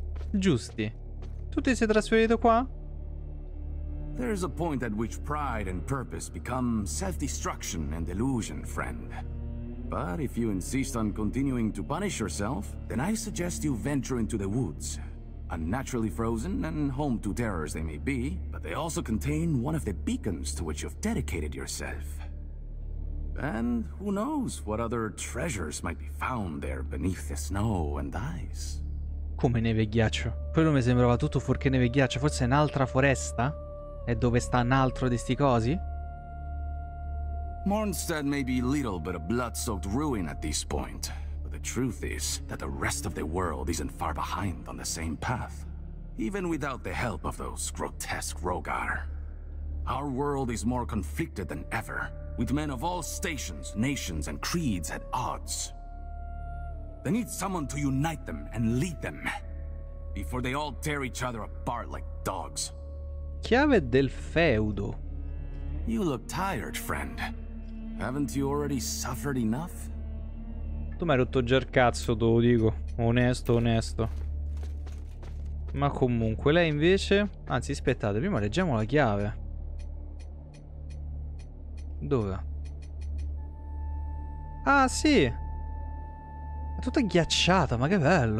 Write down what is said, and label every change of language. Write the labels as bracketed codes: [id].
[it] Giusti. Tu ti sei trasferito qua? [en] There is a point at which pride and purpose become self-destruction and delusion, friend. But if you insist on continuing to punish yourself, then I suggest you venture into the woods. Unnaturally frozen and home to terrors they may be, but they also contain one of the beacons to which you've dedicated yourself. And who knows what other treasures might be found there beneath the snow and ice. [it] Come neve e ghiaccio. Quello mi sembrava tutto fuorché neve e ghiaccio. Forse è un'altra foresta? È dove sta un altro di sti cosi? [en] Mornstead may be little but a blood-soaked ruin at this point. But the truth is that the rest of the world isn't far behind on the same path. Even without the help of those grotesque Rogar. Our world is more conflicted than ever. With men of all stations, nations, and creeds at odds. They need someone to unite them and lead them. Before they all tear each other apart like dogs. [it] Chiave del feudo. [en] You look tired, friend. Haven't you already suffered enough? [it] Tu m'hai rotto già il cazzo, te lo dico. Onesto, onesto. Ma comunque, lei invece... Anzi, aspettate, prima leggiamo la chiave. Dove? Ah, sì! È tutta ghiacciata, ma che bello!